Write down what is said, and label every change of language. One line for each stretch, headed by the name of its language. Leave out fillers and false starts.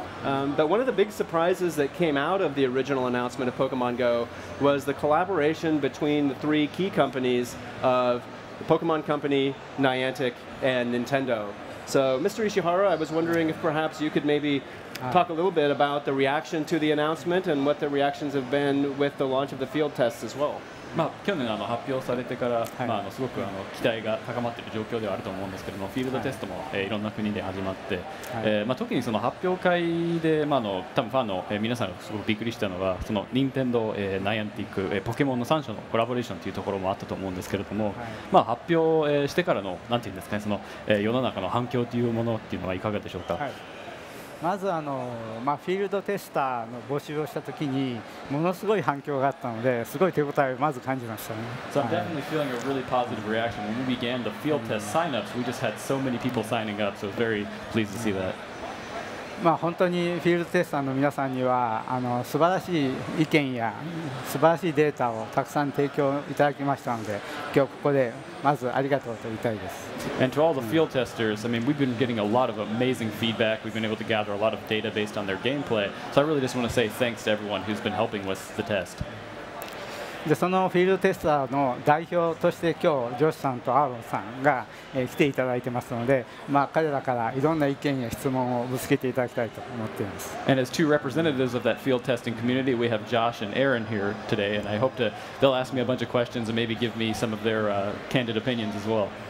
English: But one of the big surprises that came out of the original announcement of Pokemon Go was the collaboration between the three key companies of the Pokemon Company, Niantic, and Nintendo. So, Mr. Ishihara, I was wondering if perhaps you could maybe talk a little bit about the reaction to the announcement and what the reactions have been with the launch of the field tests as well.
Japanese: まあ、去年発表されてから、はい、まあ、すごく期待が高まっている状況ではあると思うんですけども、フィールドテストも、はい、いろんな国で始まって、はい、まあ、特にその発表会で、まあ、多分ファンの皆さんがすごくびっくりしたのは、その任天堂、ナイアンティック、ポケモンの3社のコラボレーションというところもあったと思うんですけれども、はい、まあ、発表してからの、なんていうんですかね、その世の中の反響というものっていうのはいかがでしょうか。はい、まずまあ、フィールドテスターの募集をしたときにものすごい反響があったので、すごい手応えをまず感じましたね。
English: So I'm definitely feeling a really positive reaction. When we began the field test signups, we just had so many people signing up, so very pleased to see that.
Japanese: まあ、本当にフィールドテスターの皆さんには素晴らしい意見や素晴らしいデータをたくさん提供いただきましたので、今日ここでまずありがとうと言いたいです。
English: And to all the field testers, I mean, we've been getting a lot of amazing feedback. We've been able to gather a lot of data based on their gameplay. So I really just want to say thanks to everyone who's been helping with the test.
Japanese: で、そのフィールドテスターの代表として今日、ジョシュさんとアーロンさんが来ていただいてますので、まあ、彼らからいろんな意見や質問をぶつけていただきたいと思っています。
English: And as two representatives of that field testing community, we have Josh and Aaron here today. And I hope to, they'll ask me a bunch of questions and maybe give me some of their candid opinions as well.